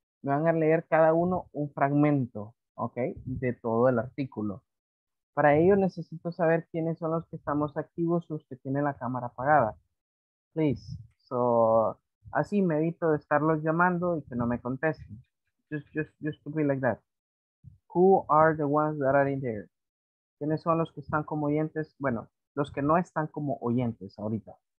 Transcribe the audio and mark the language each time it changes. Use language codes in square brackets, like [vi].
[es] Me van a leer cada uno un fragmento, ¿ok? De todo el artículo. Para ello necesito saber quiénes son los que estamos activos, los que tienen la cámara apagada. Please. So, así me evito de estarlos llamando y que no me contesten. [en] Just to be like that. Who are the ones that are in there? [es] ¿Quiénes son los que están como oyentes? Bueno, los que no están como oyentes ahorita.